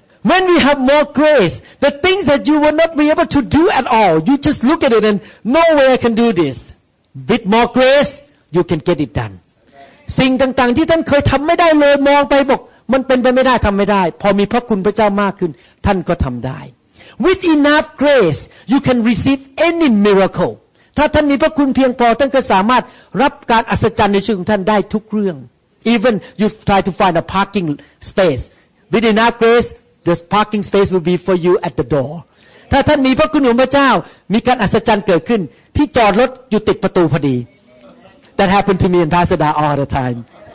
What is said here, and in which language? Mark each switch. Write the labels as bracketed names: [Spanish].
[English] When we have more grace the things that you will not be able to do at all you just look at it and no way I can do this with more grace you can get it done [Thai] สิ่งต่างๆที่ท่านเคยทำไม่ได้เลยมองไปบอกมันเป็นไปไม่ได้ทำไม่ได้พอมีพระคุณพระเจ้ามากขึ้นท่านก็ทำได้ [English] With enough grace, you can receive any miracle. [Thai] ถ้าท่านมีพระคุณเพียงพอท่านก็สามารถรับการอัศจรรย์ในชีวิตของท่านได้ทุกเรื่อง [English] Even you try to find a parking space. With enough grace, the parking space will be for you at the door. [Thai] ถ้าท่านมีพระคุณของพระเจ้ามีการอัศจรรย์เกิดขึ้นที่จอดรถอยู่ติดประตูพอดี [English] That happened to me in Pasadena all the time.